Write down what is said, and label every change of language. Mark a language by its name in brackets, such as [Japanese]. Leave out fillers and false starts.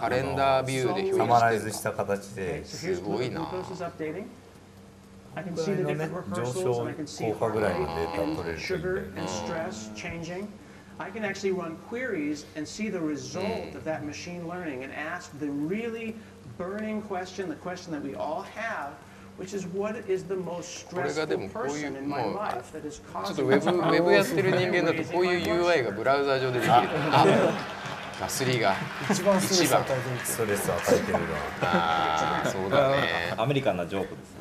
[Japanese] カレンダービューで表示して、サマライズした形で、すごいな。僕らのね、上昇効果ぐらいのデータを取れるといいんだよね。 [English] I can actually run queries and see the result of that machine learning and ask the really burning question, the question that we all have, which is what is the most stressful person in my life that is causing the most stress. [Japanese] ちょっとウェブやってる人間だとこういう UI がブラウザ上でできる。ガスリーが一番ストレスを与えてるのは、そうだね。アメリカンなジョークです。